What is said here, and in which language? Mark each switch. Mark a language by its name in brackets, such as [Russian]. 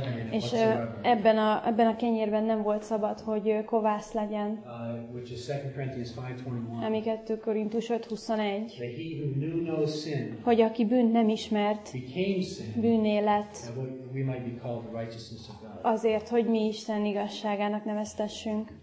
[Hungarian] És ebben a kenyérben nem volt szabad, hogy kovász legyen. [English] Which is 2 Corinthians 5:21. [Hungarian] Ami 2 Korintus 5:21. [English] That he who knew no sin, [Hungarian] hogy aki bűnt nem ismert, bűnné lett. [English] We might be called the righteousness of God. [Hungarian] Azért, hogy mi Isten igazságának neveztessünk.